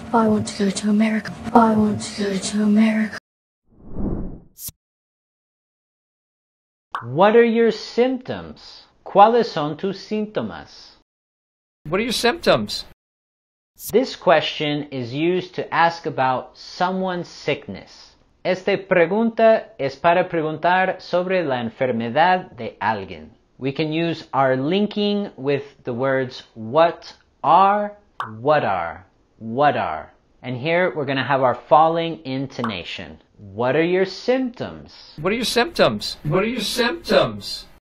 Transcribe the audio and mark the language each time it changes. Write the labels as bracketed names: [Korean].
[English] I want to go to America. I want to go to America. What are your symptoms? [Spanish] ¿Cuáles son tus síntomas? [English] What are your symptoms? This question is used to ask about someone's sickness. [Spanish] Esta pregunta es para preguntar sobre la enfermedad de alguien. [English] We can use our linking with the words what are, what are, what are. And here we're going to have our falling intonation. What are your symptoms? What are your symptoms? What are your symptoms?